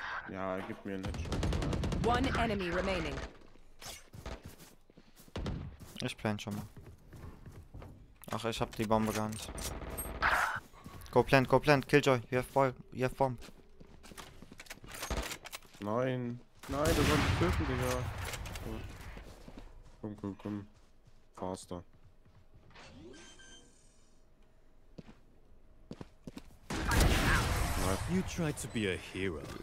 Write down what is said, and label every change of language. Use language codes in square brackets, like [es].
[de] Ja, gib mir einen Headshot. [en] One enemy remaining. [de] Ich plan schon mal. Ach, ich hab die Bombe gar nicht. [en] Go plant, Killjoy, you have bomb. [de] Nein, du sollst töten, Digga. Komm. Faster. [en] You try to be a hero.